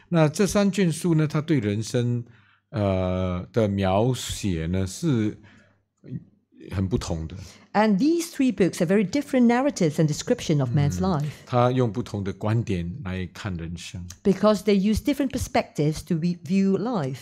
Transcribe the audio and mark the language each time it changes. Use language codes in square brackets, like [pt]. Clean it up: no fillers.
[zh] 那这三卷书呢，它对人生的描写呢是。很不同的。 [en] And these three books are very different narratives and description of man's life. [zh] 他用不同的观点来看人生。 [en] Because they use different perspectives to view life.